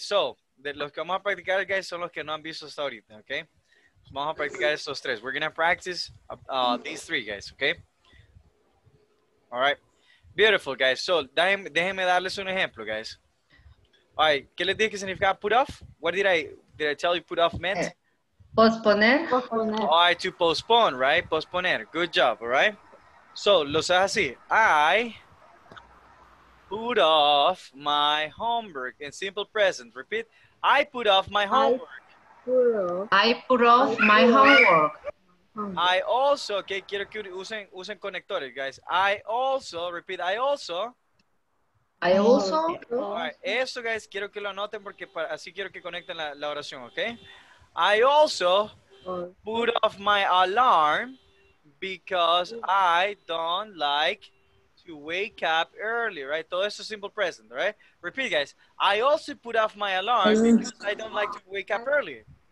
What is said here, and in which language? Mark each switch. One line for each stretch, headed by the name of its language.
Spanish: So, de los que vamos a practicar, guys, son los que no han visto hasta ahorita.
English: Okay.
Spanish: Vamos a practicar estos tres.
English: We're gonna practice these three, guys. Okay. All right. Beautiful, guys.
Spanish: So, déjenme darles un ejemplo, guys. All right, ¿qué les dije que significa put off?
English: What did I tell you put off meant?
Spanish: Posponer. Posponer.
English: All right, to postpone, right?
Spanish: Posponer.
English: Good job, all right? So,
Spanish: lo sabes así.
English: I put off my homework in simple present. Repeat. I put off my homework. I put off my homework. I also, okay,
Spanish: quiero que usen conectores,
English: guys. I also, repeat, I also. All
Spanish: right, eso, guys, quiero que lo anoten porque para, así quiero que conecten la oración, okay?
English: I also put off my alarm because I don't like to wake up early, right?
Spanish: Todo eso es
English: simple present, right? Repeat, guys. I also put off my alarm because I don't like to wake up early.